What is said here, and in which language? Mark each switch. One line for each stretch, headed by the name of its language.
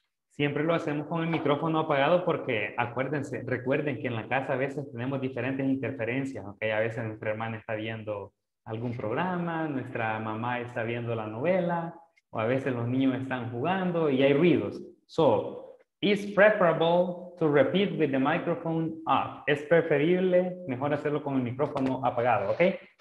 Spanish: Siempre lo hacemos con el micrófono apagado porque recuerden que en la casa a veces tenemos diferentes interferencias, okay? A veces nuestra hermana está viendo algún programa, nuestra mamá está viendo la novela, o a veces los niños están jugando y hay ruidos.
English: So, it's preferable to repeat with the microphone off.
Spanish: Es preferible, mejor hacerlo con el micrófono apagado, okay?